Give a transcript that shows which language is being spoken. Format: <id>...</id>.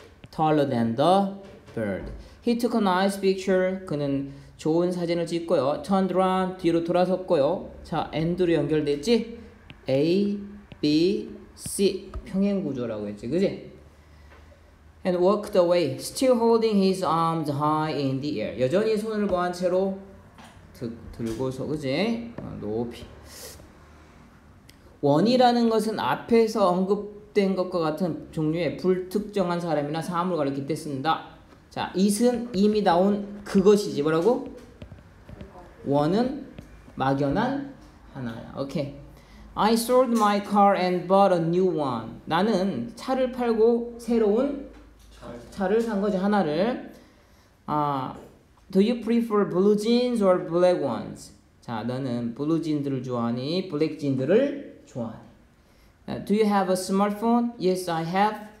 <en>taller than the bird. He took a nice picture.</en> <ko>그는 좋은 사진을 찍고요.</ko> <en>Turned around,</en> <ko>뒤로 돌아섰고요. 자, and로 연결됐지? A, B, C. 평행 구조라고 했지, 그지?</ko> <en>And walked away, still holding his arms high in the air.</en> <ko>여전히 손을 모은 채로 들고서, 그지? 높이. 원이라는 것은 앞에서 언급된 것과 같은 종류의 불특정한 사람이나 사물을 가리키 때 쓴다. 자, it은 이미 나온 그것이지. 뭐라고? 원은 막연한 하나야.</ko> <en>오케이. I sold my car and bought a new one.</en> <ko>나는 차를 팔고 새로운 차를 산 거지, 하나를.</ko> <en>아, do you prefer blue jeans or black ones?</en> <ko>자, 너는 블루 진들을 좋아하니 블랙 진들을 좋아하니?</ko> <en>Do you have a smartphone? Yes, I have.</en>